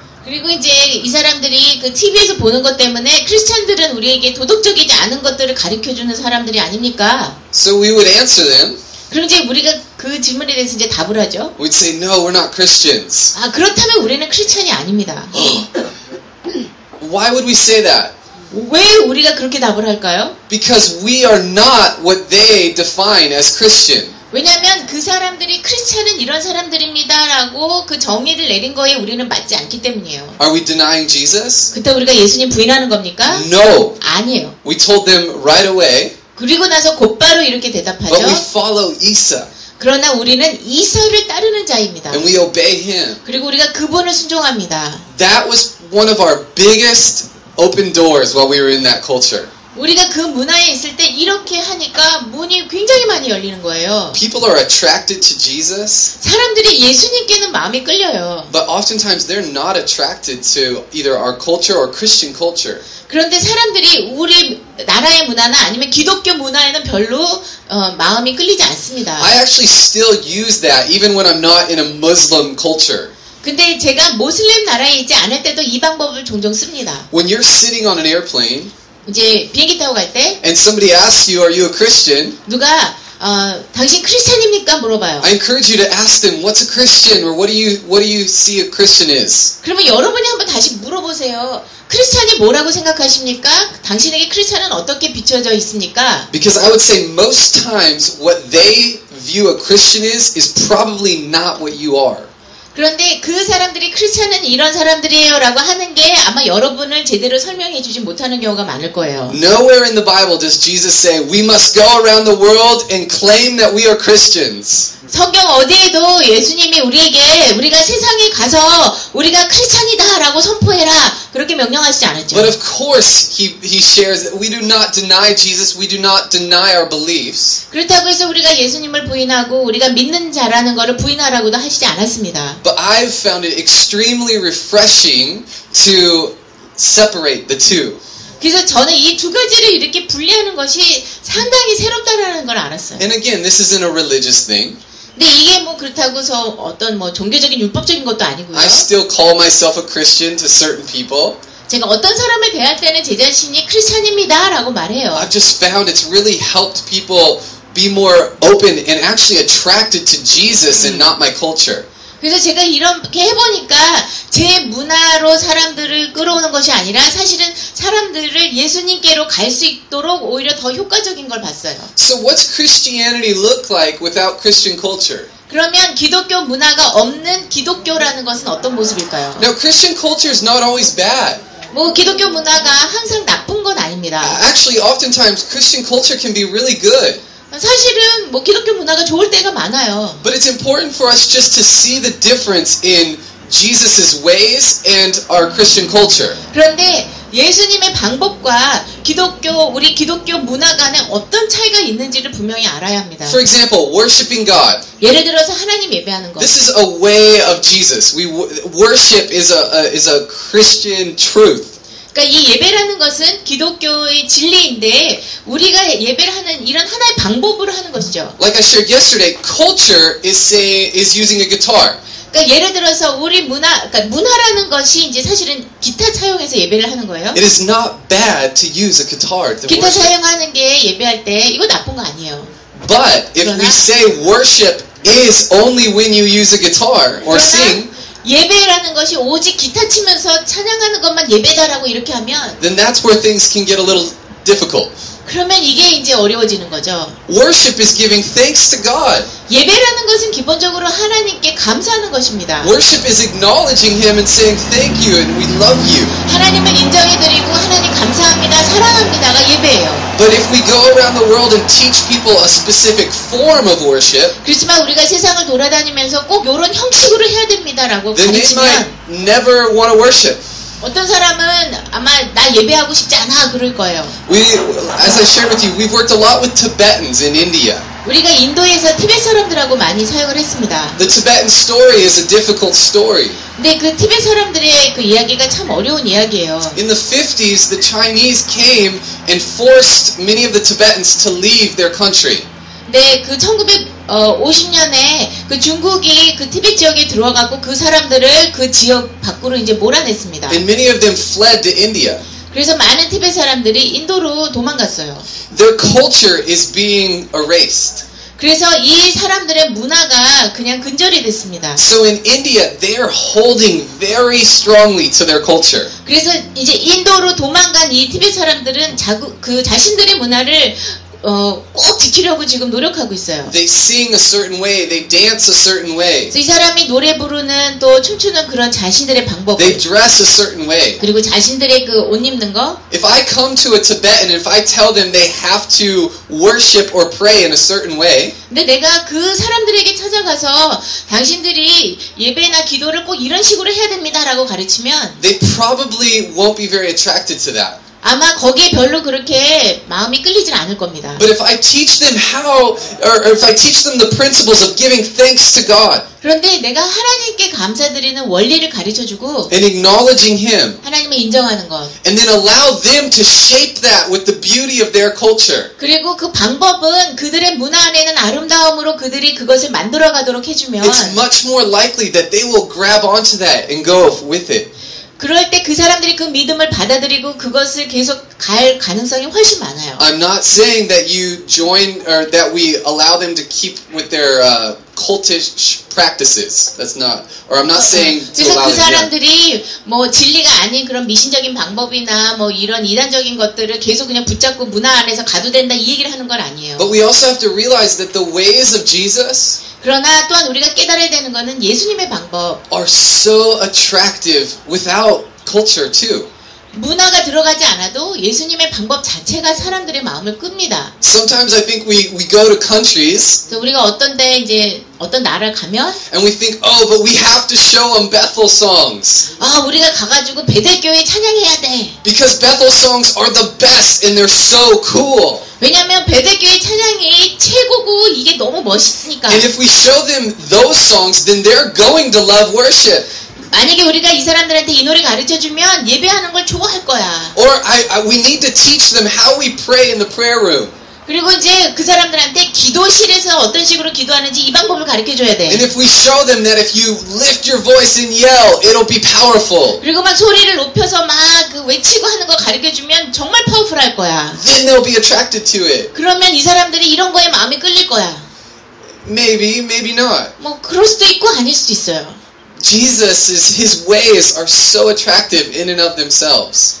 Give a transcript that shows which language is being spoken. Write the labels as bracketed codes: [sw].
[ko] 그리고 이제 이 사람들이 그 TV에서 보는 것 때문에 크리스천들은 우리에게 도덕적이지 않은 것들을 가르쳐 주는 사람들이 아닙니까? [en] So we would answer them. [ko] 그럼 이제 우리가 그 질문에 대해서 이제 답을 하죠. [en] We'd say no, we're not Christians. [ko] 아, 그렇다면 우리는 크리스천이 아닙니다. [en] Why would we say that? [ko] 왜 우리가 그렇게 답을 할까요? [en] Because we are not what they define as Christian. [ko] 왜냐하면 그 사람들이 크리스천은 이런 사람들입니다라고 그 정의를 내린 거에 우리는 맞지 않기 때문이에요. [en] Are we denying Jesus? [ko] 그때 우리가 예수님 부인하는 겁니까? [en] No. [ko] 아니에요. [en] We told them right away. [ko] 그리고 나서 곧바로 이렇게 대답하죠. [en] But we follow Isa. [ko] 그러나 우리는 이사를 따르는 자입니다. [en] And we obey him. [ko] 그리고 우리가 그분을 순종합니다. [en] That was one of our biggest open doors while we were in that culture. [ko] 우리가 그 문화에 있을 때 이렇게 하니까 문이 굉장히 많이 열리는 거예요. [en] People are attracted to Jesus. [ko] 사람들이 예수님께는 마음이 끌려요. [en] But oftentimes they're not attracted to either our culture or Christian culture. [ko] 그런데 사람들이 우리 나라의 문화나 아니면 기독교 문화에는 별로 마음이 끌리지 않습니다. [en] I actually still use that even when I'm not in a Muslim culture. [ko] 근데 제가 모슬렘 나라에 있지 않을 때도 이 방법을 종종 씁니다. [en] When you're sitting on an airplane, [ko] 이제 비행기 타고 갈 때 [en] And somebody asks you, are you a Christian? [ko] 누가 당신 크리스천입니까? 물어봐요. [en] I encourage you to ask them, what's a Christian? Or what do you see a Christian is? [ko] 그러면 여러분이 한번 다시 물어보세요. 크리스천이 뭐라고 생각하십니까? 당신에게 크리스천은 어떻게 비춰져 있습니까? [en] Because I would say most times what they view a Christian is probably not what you are. [ko] 그런데 그 사람들이 크리스천은 이런 사람들이에요 라고 하는 게 아마 여러분을 제대로 설명해 주지 못하는 경우가 많을 거예요. [en] Nowhere in the Bible does Jesus say we must go around the world and claim that we are Christians. [ko] 성경 어디에도 예수님이 우리에게 우리가 세상에 가서 우리가 크리스천이다 라고 선포해라 그렇게 명령하시지 않았죠. [en] But of course he shares that we do not deny Jesus, we do not deny our beliefs. [ko] 그렇다고 해서 우리가 예수님을 부인하고 우리가 믿는 자라는 것을 부인하라고도 하시지 않았습니다. [en] But I've found it extremely refreshing to separate the two. [ko] 그래서 저는 이 두 가지를 이렇게 분리하는 것이 상당히 새롭다라는 걸 알았어요. [en] And again, this isn't a religious thing. [ko] 근데 이게 뭐 그렇다고서 어떤 뭐 종교적인 율법적인 것도 아니고요. [en] I still call myself a Christian to certain people. [ko] 제가 어떤 사람을 대할 때는 제 자신이 크리스천입니다라고 말해요. [en] I've just found it's really helped people be more open and actually attracted to Jesus and not my culture. [ko] 그래서 제가 이렇게 해보니까 제 문화로 사람들을 끌어오는 것이 아니라 사실은 사람들을 예수님께로 갈 수 있도록 오히려 더 효과적인 걸 봤어요. [en] So what's Christianity look like without Christian culture? [ko] 그러면 기독교 문화가 없는 기독교라는 것은 어떤 모습일까요? [en] Now Christian culture is not always bad. [ko] 뭐 기독교 문화가 항상 나쁜 건 아닙니다. [en] Actually, oftentimes Christian culture can be really good. [ko] 사실은 뭐 기독교 문화가 좋을 때가 많아요. [en] But it's important for us just to see the difference in Jesus' ways and our Christian culture. [ko] 그런데 예수님의 방법과 기독교 우리 기독교 문화 간에 어떤 차이가 있는지를 분명히 알아야 합니다. [en] For example, worshiping God. [ko] 예를 들어서 하나님 예배하는 것. [en] This is a way of Jesus. Worship is a Christian truth. [ko] 그러니까 이 예배라는 것은 기독교의 진리인데 우리가 예배를 하는 이런 하나의 방법으로 하는 것이죠. [en] Like I shared yesterday, culture is using a guitar. [ko] 그러니까 예를 들어서 우리 문화, 그러니까 문화라는 것이 이제 사실은 기타 사용해서 예배를 하는 거예요. [en] It is not bad to use a guitar. [ko] 기타 사용하는 게 예배할 때 이거 나쁜 거 아니에요. [en] But if we say worship is only when you use a guitar or sing. [ko] 예배라는 것이 오직 기타 치면서 찬양하는 것만 예배다라고 이렇게 하면 [en] Then that's where things can get a little difficult. [ko] 그러면 이게 이제 어려워지는 거죠. [en] Worship is giving thanks to God. [ko] 예배라는 것은 기본적으로 하나님께 감사하는 것입니다. [en] Worship is acknowledging him and saying thank you and we love you. [ko] 하나님을 인정해 드리고 하나님 감사합니다. 사랑합니다가 예배예요. [en] But if we go around the world and teach people a specific form of worship. [ko] 그렇지만 우리가 세상을 돌아다니면서 꼭 요런 형식으로 해야 됩니다라고 가르치면 [en] Then they might never want to worship. [ko] 어떤 사람은 아마 나 예배하고 싶지 않아 그럴 거예요. [en] As I shared with you, we've worked a lot with Tibetans in India. [ko] 우리가 인도에서 티벳 사람들하고 많이 사역을 했습니다. [en] The Tibetan story is a difficult story. [ko] 근데 그 티벳 사람들의 그 이야기가 참 어려운 이야기예요. [en] In the 50s, the Chinese came and forced many of the Tibetans to leave their country. [ko] 네, 그 1950년에 그 중국이 그 티벳 지역에 들어와갖고 그 사람들을 그 지역 밖으로 이제 몰아냈습니다. [en] And many of them fled to India. [ko] 그래서 많은 티벳 사람들이 인도로 도망갔어요. [en] Their culture is being erased. [ko] 그래서 이 사람들의 문화가 그냥 근절이 됐습니다. [en] So in India, they're holding very strongly to their culture. [ko] 그래서 이제 인도로 도망간 이 티벳 사람들은 그 자신들의 문화를 꼭 지키려고 지금 노력하고 있어요. [en] They sing a certain way, they dance a certain way. [ko] 이 사람이 노래 부르는 또 춤추는 그런 자신들의 방법. [en] They dress a certain way. [ko] 그리고 자신들의 그 옷 입는 거. [en] If I come to a Tibetan and if I tell them they have to worship or pray in a certain way. [ko] 근데 내가 그 사람들에게 찾아가서 당신들이 예배나 기도를 꼭 이런 식으로 해야 됩니다라고 가르치면 [en] they probably won't be very attracted to that. [ko] 아마 거기에 별로 그렇게 마음이 끌리진 않을 겁니다. [en] But if I teach them how, or if I teach them the principles of giving thanks to God. [ko] 그런데 내가 하나님께 감사드리는 원리를 가르쳐 주고. [en] And acknowledging Him. [ko] 하나님을 인정하는 것. [en] And then allow them to shape that with the beauty of their culture. [ko] 그리고 그 방법은 그들의 문화 안에는 아름다움으로 그들이 그것을 만들어가도록 해주면. [en] It's much more likely that they will grab onto that and go with it. [ko] 그럴 때 그 사람들이 그 믿음을 받아들이고 그것을 계속 갈 가능성이 훨씬 많아요. [en] I'm not saying that you join or that we allow them to keep with their cultish practices. That's not. Or I'm not saying to allow them. [ko] 그래서 그 사람들이 뭐 진리가 아닌 그런 미신적인 방법이나 뭐 이런 이단적인 것들을 계속 그냥 붙잡고 문화 안에서 가도 된다 이 얘기를 하는 건 아니에요. [en] But we also have to realize that the ways of Jesus [ko] 그러나 또한 우리가 깨달아야 되는 것은 예수님의 방법 [en] are so attractive without culture too. [ko] 문화가 들어가지 않아도 예수님의 방법 자체가 사람들의 마음을 끕니다. [en] Sometimes I think we go to countries. [ko] 또 우리가 어떤데 이제 어떤 나라 가면 [en] and we think oh but we have to show them Bethel songs. [ko] 아 우리가 가가지고 베델교회 찬양해야 돼. [en] Because Bethel songs are the best and they're so cool. [ko] 왜냐면 베델교회 찬양이 최고고 이게 너무 멋있으니까. [en] And if we show them those songs, then they're going to love worship. [ko] 만약에 우리가 이 사람들한테 이 노래 가르쳐 주면 예배하는 걸 좋아할 거야. [en] Or we need to teach them how we pray in the prayer room. [ko] 그리고 이제 그 사람들한테 기도실에서 어떤 식으로 기도하는지 이 방법을 가르쳐 줘야 돼. [en] And if we show them that if you lift your voice and yell, it'll be powerful. [ko] 그리고 막 소리를 높여서 막 그 외치고 하는 거 가르쳐 주면 정말 파워풀할 거야. [en] Then they'll be attracted to it. [ko] 그러면 이 사람들이 이런 거에 마음이 끌릴 거야. [en] Maybe, maybe not. [ko] 뭐 그럴 수도 있고 아닐 수도 있어요. [en] Jesus is his ways are so attractive in and of themselves.